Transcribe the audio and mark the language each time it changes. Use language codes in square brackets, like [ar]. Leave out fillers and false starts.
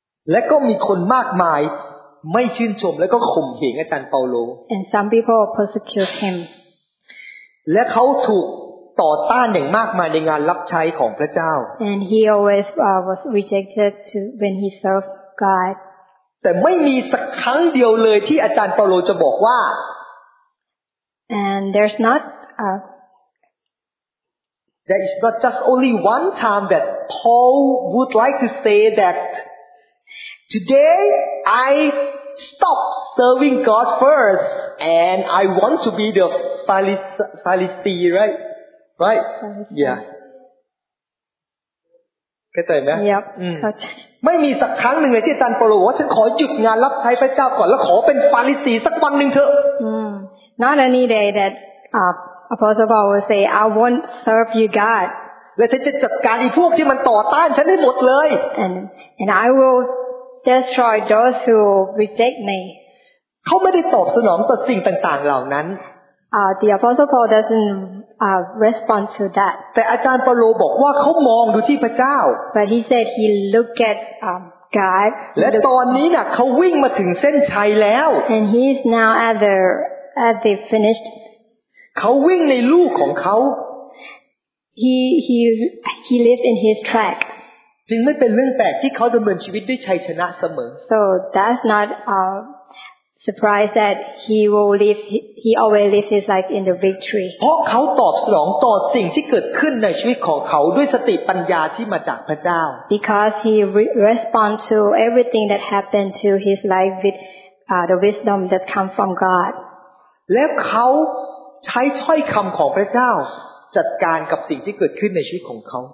[th] และก็มีคนมากมายไม่ชื่นชมและก็ข่มเหงอาจารย์เปาโล [en] And some people persecute him [th] และเขาถูกต่อต้านอย่างมากมายในงานรับใช้ของพระเจ้า [en] And he always was rejected to when he served God [th] แต่ไม่มีสักครั้งเดียวเลยที่อาจารย์เปาโลจะบอกว่า [en] And there's not there is not just only one time that Paul would like to say that today I stopped serving God first and I want to be thePharisee, right? [th] Yeah. เข้าใจ มั้ยครับ ไม่มีสักครั้งนึงเลยที่อาจารย์เปาโลว่าฉันขอหยุดงานรับใช้พระเจ้าก่อนแล้วขอเป็นฟาริสีสักวันนึงเถอะ [en] Not any day that Apostle Paul will say I won't serve you God [th] และฉันจะจัดการไอ้พวกที่มันต่อต้านฉันให้หมดเลย [en] And I will destroy those who reject me [th] เขาไม่ได้ตอบสนองต่อสิ่งต่างๆเหล่านั้น [en] The Apostle Paul doesn't respond to that. [th] แต่อาจารย์เปาโลบอกว่าเขามองดูที่พระเจ้า [en] But he said he looked at God. [th] และตอนนี้น่ะเขาวิ่งมาถึงเส้นชัยแล้ว [en] And he is now at the finished. [th] เขาวิ่งในลู่ของเขา [en] He lives in his track. [th] จึงไม่เป็นเรื่องแปลกที่เขาดำเนินชีวิตด้วยชัยชนะเสมอ [en] So that's not surprised that he always lives his life in the victory [th] เพราะเขาตอบสนองต่อสิ่งที่เกิดขึ้นในชีวิตของเขาด้วยสติปัญญาที่มาจากพระเจ้า [en] because he responds to everything that happened to his life with the wisdom that come from God [th] แล้วเขาใช้ถ้อยคำของพระเจ้าจัดการกับสิ่งที่เกิดขึ้นในชีวิตของเขา